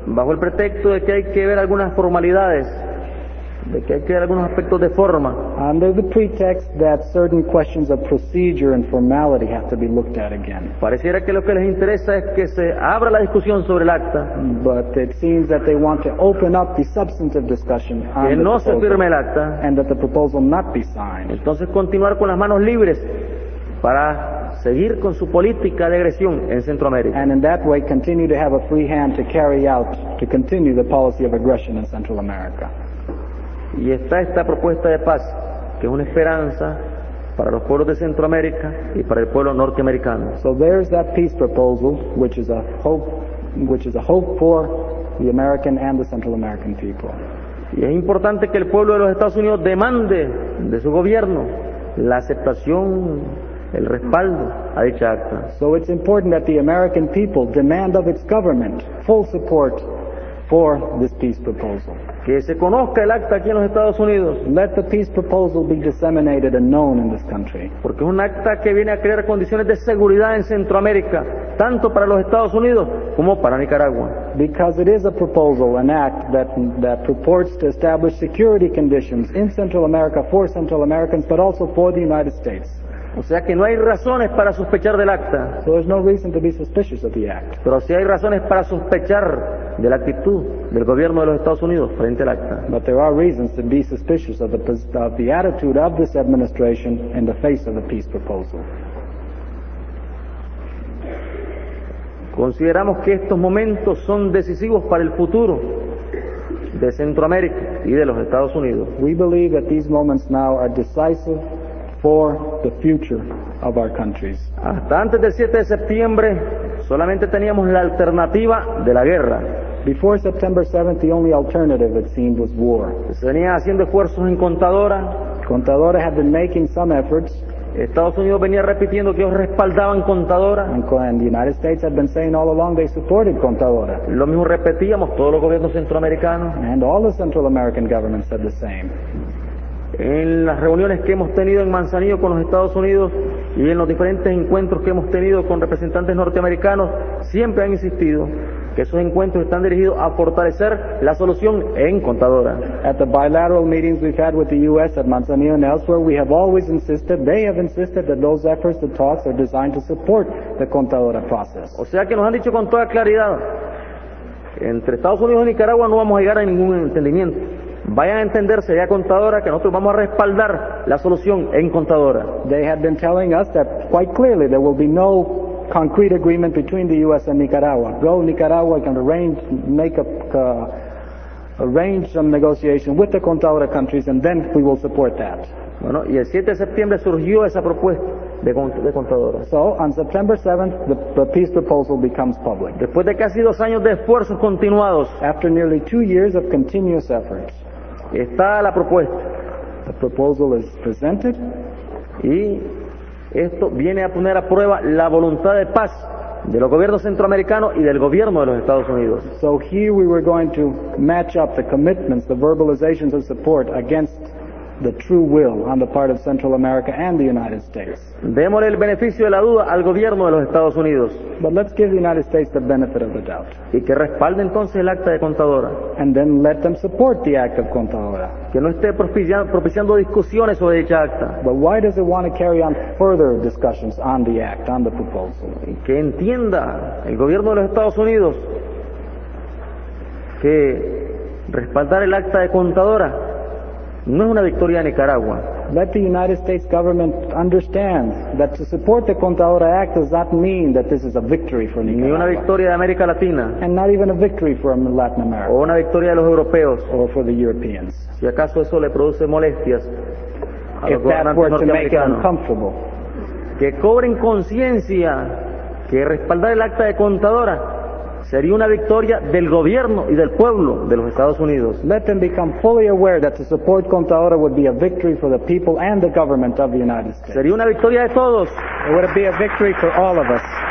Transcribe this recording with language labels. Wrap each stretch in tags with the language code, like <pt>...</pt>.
<es>Bajo el pretexto de que hay que ver algunas formalidades, de que hay que ver algunos aspectos de forma.</es> <en>Under the pretext that certain questions of procedure and formality have to be looked at again.</en> <es>Pareciera que lo que les interesa es que se abra la discusión sobre el acta.</es> <en>But it seems that they want to open up the substantive discussion on</en> <es>que no</es> <en>the proposal,</en> <es>se firme el acta.</es> <en>And that the proposal not be signed.</en> <es>Entonces continuar con las manos libres para seguir con su política de agresión en Centroamérica.</es> <en>And in that way continue to have a free hand to carry out, to continue the policy of aggression in Central America.</en> <es>Y está esta propuesta de paz, que es una esperanza para los pueblos de Centroamérica y para el pueblo norteamericano.</es> <en>So there's that peace proposal, which is a hope for the American and the Central American people.</en> <es>Y es importante que el pueblo de los Estados Unidos demande de su gobierno la aceptación, el respaldo a dicha acta.</es> <en>So it's important that the American people demand of its government full support for this peace proposal.</en> <es>Que se conozca el acta aquí en los Estados Unidos.</es> <en>Let the peace proposal be disseminated and known in this country.</en> <es>Porque es un acta que viene a crear condiciones de seguridad en Centroamérica, tanto para los Estados Unidos como para Nicaragua.</es> <en>Because it is a proposal, an act that purports to establish security conditions in Central America for Central Americans, but also for the United States.</en> <es>O sea que no hay razones para sospechar del acta.</es> <en>So there's no reason to be suspicious of the act.</en> <es>Pero sí hay razones para sospechar de la actitud del gobierno de los Estados Unidos frente al acta.</es> <en>But there are reasons to be suspicious of the attitude of this administration in the face of the peace proposal.</en> <es>Consideramos que estos momentos son decisivos para el futuro de Centroamérica y de los Estados Unidos.</es> <en>We believe that these moments now are decisive for the future of our countries.</en> <es>Hasta antes del 7 de septiembre solamente teníamos la alternativa de la guerra.</es> <en>Before September 7th, the only alternative, it seemed, was war.</en> <es>Se venía haciendo esfuerzos en Contadora.</es> <en>Contadora had been making some efforts.</en> <es>Estados Unidos venía repitiendo que ellos respaldaban Contadora.</es> <en>And the United States had been saying all along they supported Contadora.</en> <es>Lo mismo repetíamos todos los gobiernos centroamericanos.</es> <en>And all the Central American governments said the same.</en> <es>En las reuniones que hemos tenido en Manzanillo con los Estados Unidos y en los diferentes encuentros que hemos tenido con representantes norteamericanos, siempre han insistido que esos encuentros están dirigidos a fortalecer la solución en Contadora.</es> <en>At the bilateral meetings we've had with the U.S. at Manzanillo and elsewhere, we have always insisted, they have insisted that those efforts, the talks, are designed to support the Contadora process.</en> <es>O sea que nos han dicho con toda claridad, entre Estados Unidos y Nicaragua no vamos a llegar a ningún entendimiento. Vayan a entenderse ya Contadora que nosotros vamos a respaldar la solución en Contadora.</es> <en>They have been telling us that quite clearly there will be no concrete agreement between the U.S. and Nicaragua. Go Nicaragua can arrange, make a arrange some negotiation with the Contadora countries and then we will support that.</en> <es>Bueno, y el 7 de septiembre surgió esa propuesta de Contadora.</es> <en>So on September 7th the peace proposal becomes public.</en> <es>Después de casi dos años de esfuerzos continuados.</es> <en>After nearly two years of continuous efforts.</en> <es>Está la propuesta.</es> <en>The proposal is presented.</en> <es>Y esto viene a poner a prueba la voluntad de paz de los gobiernos centroamericanos y del gobierno de los Estados Unidos.</es> <en>So here we were going to match up the commitments, the verbalizations of support against the true will on the part of Central America and the United States.</en> <es>Démosle el beneficio de la duda al gobierno de los Estados Unidos.</es> <en>But let's give the United States the benefit of the doubt.</en> <es>Y que respalde entonces el acta de contadora.</es> <en>And then let them support the act of contadora.</en> <es>Que no esté propiciando discusiones sobre dicha acta.</es> <en>But why does it want to carry on further discussions on the act, on the proposal?</en> <es>Y que entienda el gobierno de los Estados Unidos que respaldar el acta de contadora no es una victoria de Nicaragua.</es> <en>Let the United States government understand that to support the Contadora Act does not mean that this is a victory for Nicaragua.</en> <es>Ni una victoria de América Latina.</es> <en>And not even a victory for Latin America.</en> <es>O una victoria de los europeos.</es> <en>Or for the Europeans.</en> <es>Si acaso eso le produce molestias a los gobernantes norteamericanos.</es> <en>If that were to make it uncomfortable.</en> <es>Que cobren conciencia que respaldar el acta de contadora sería una victoria del gobierno y del pueblo de los Estados Unidos.</es> <en>Let them become fully aware that to support Contadora would be a victory for the people and the government of the United States.</en> <es>Sería una victoria de todos.</es> <en>It would be a victory for all of us.</en>